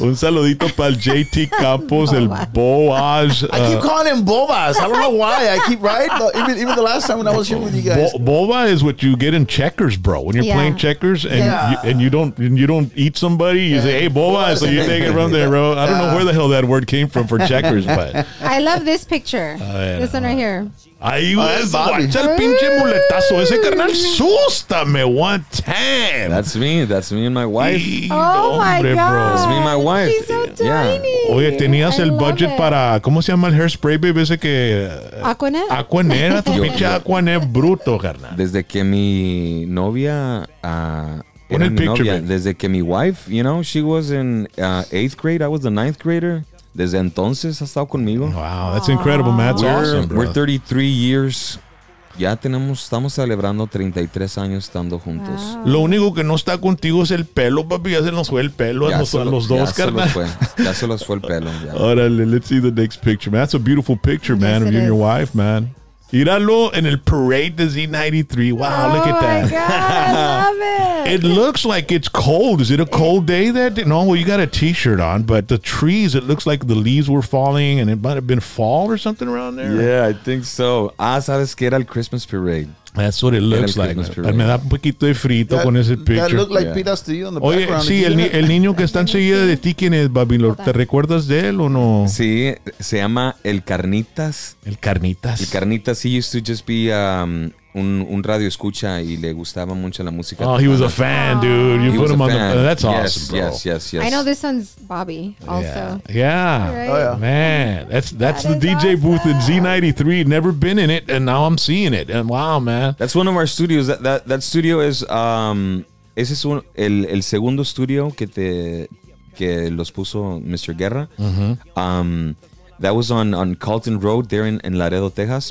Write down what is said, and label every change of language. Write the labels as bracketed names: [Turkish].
[Spanish] Un saludito para el JT Campos, el Bobas. [English] I keep calling him Bobas. I don't know why. I keep, right? Even the last time when I was here with you guys. Boba is what you get in checkers, bro. When you're playing checkers and you don't eat somebody, you say, hey, Bobas. So you take it from there, bro. I don't know where the hell that word came from for checkers, but. I love this picture. This one right here. [Spanish] Ahí es, guacha el pinche muletazo. Ese carnal, sústame [English] one time. That's me and my wife. That's me and my wife. She's so tiny. [Spanish] Oye, tenías el budget para, ¿cómo se llama el hairspray, baby? Ese que... Aquanet. Tu pinche Aquanet bruto, carnal. Desde que mi novia... Desde que mi [English] wife, you know, she was in 8th grade, I was the 9th grader. [Spanish] Desde entonces ha estado conmigo. [English] Wow, that's incredible, man. That's awesome, bro. We're 33 years [Spanish] Ya tenemos, estamos celebrando 33 años estando juntos. Wow. Lo único que no está contigo es el pelo, papi. Ya se nos fue el pelo a los dos, ya carnal. Se fue. Ya se los fue el pelo. [English] Órale, let's see the next picture, man. That's a beautiful picture, man, of you and your wife, man. [Spanish] Míralo en el parade de Z93. Wow, [English] oh, look at that. Oh, my God, I love it. It looks like it's cold. Is it a cold day that day? No, well, you got a t-shirt on, but the trees, it looks like the leaves were falling, and it might have been fall or something around there. Yeah, I think so. [Spanish] Ah, ¿sabes qué era el Christmas parade? [English] That's what it looks like. [Spanish] Me da un poquito de frito [English] that, [Spanish] con ese picture. [English] That looked like pitas to you in the background. [Spanish] Oye, sí, el niño que está enseguida de ti, ¿quién es, Babi? ¿Te recuerdas de él o no? Sí, se llama El Carnitas. El Carnitas. El Carnitas, [English] he used to just be [Spanish] un radio escucha y le gustaba mucho la música. [English] Oh, he was a fan, dude. You put him on the... That's awesome, bro. Yes, yes, yes. I know this one's Bobby also. Yeah. Oh, yeah. Man, that's the DJ booth in Z93. Never been in it, and now I'm seeing it. And wow, man. That's one of our studios. That studio is... [Spanish] ese es el segundo estudio que los puso Mr. Guerra. [English] That was on Carlton Road there in Laredo, Texas.